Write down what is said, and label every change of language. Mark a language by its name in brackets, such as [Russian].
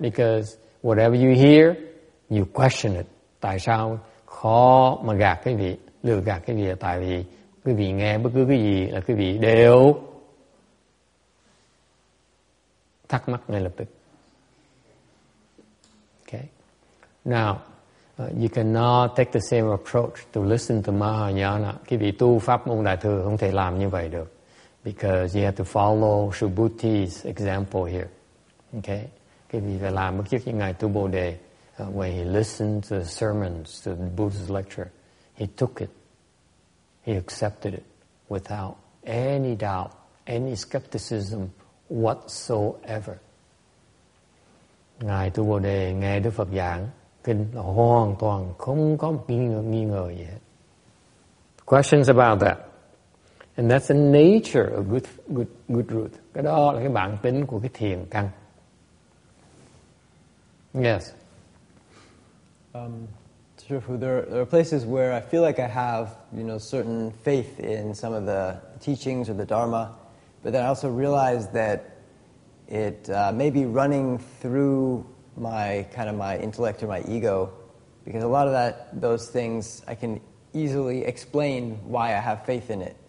[English] Because whatever you hear, you question it. [Vietnamese] Tại sao khó mà gạt cái gì, lừa gạt cái gì? Tại vì quý vị nghe bất cứ cái gì là quý vị đều thắc mắc ngay lập tức. [English] Okay. Now, you cannot take the same approach to listen to Mahayana. [Vietnamese] Quý vị tu pháp môn Đại Thừa không thể làm như vậy được. [English] Because you have to follow Subhuti's example here. Okay? [Vietnamese] Quý vị phải làm bất chức như Ngài Tu Bồ Đề. [English] When he listened to the sermons, to the Buddha's lecture, he took it. He accepted it without any doubt, any skepticism whatsoever. [Vietnamese] Ngài Tu Bồ Đề nghe Đức Phật giảng kinh là hoàn toàn không có nghi ngờ gì hết. [English] Questions about that? And that's the nature of good root. [Vietnamese] Cái đó là cái bản tính của cái thiền căn. [English] Yes. There are places where I feel like I have, you know, certain faith in some of the teachings or the Dharma, but then I also realize that it may be running through my intellect or my ego, because a lot of that, those things, I can easily explain why I have faith in it.